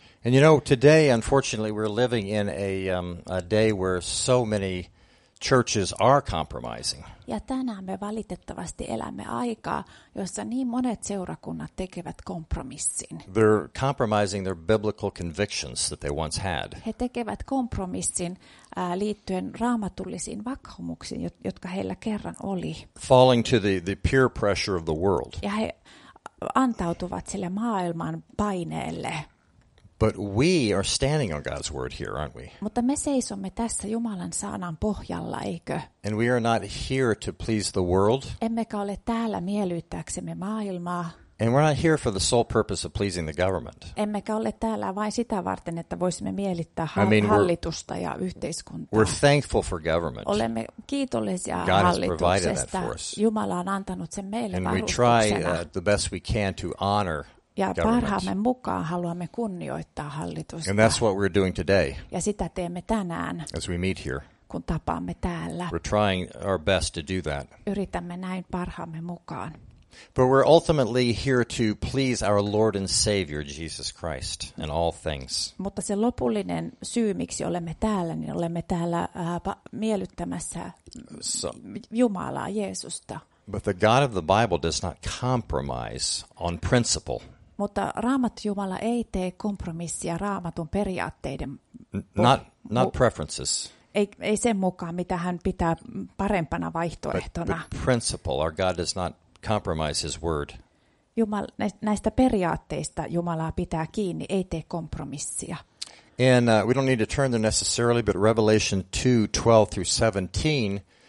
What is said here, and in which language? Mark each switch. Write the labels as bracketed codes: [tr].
[en] And you know, today, unfortunately, we're living in a day where so many churches are compromising. [fi] Ja tänään me valitettavasti elämme aikaa, jossa niin monet seurakunnat tekevät kompromissin. [en] They're compromising their biblical convictions that they once had. [fi] He tekevät kompromissin liittyen raamatullisiin vakaumuksiin, jotka heillä kerran oli. [en] Falling to the peer pressure of the world. [fi] Ja he antautuvat sille maailman paineelle. [en] But we are standing on God's word here, aren't we? [fi] Mutta me seisomme tässä Jumalan sanan pohjalla, eikö? [en] And we are not here to please the world. [fi] Emmekä ole täällä miellyttääksemme maailmaa. [en] And we're not here for the sole purpose of pleasing the government. [fi] Emmekä ole täällä vain sitä varten, että voisimme miellyttää hallitusta ja yhteiskuntaa. [en] We're thankful for government. [fi] Olemme kiitollisia hallituksesta. Jumala on antanut sen meille varustuksena. [en] And we try the best we can to honor. [fi] Ja parhaamme mukaan haluamme kunnioittaa hallitusta. [en] And that's what we're doing today. [fi] Ja sitä teemme tänään. [en] As we meet here. [fi] Kun tapaamme täällä. [en] We're trying our best to do that. [fi] Yritämme näin parhaamme mukaan. [en] But we're ultimately here to please our Lord and Savior Jesus Christ in all things. [fi] Mutta se lopullinen syy miksi olemme täällä, niin olemme täällä miellyttämässä Jumalaa Jeesusta. [en] But the God of the Bible does not compromise on principle. [fi] Mutta Raamattu Jumala ei tee kompromissia Raamatun periaatteiden. [en] Not preferences. [fi] Ei sen mukaan mitä hän pitää parempana vaihtoehtona. [en] But principle, our God does not compromise his word. [fi] Jumala, näistä periaatteista Jumalaa pitää kiinni, ei tee kompromissia. [en] And we don't need to turn there necessarily, but Revelation 2:12-17.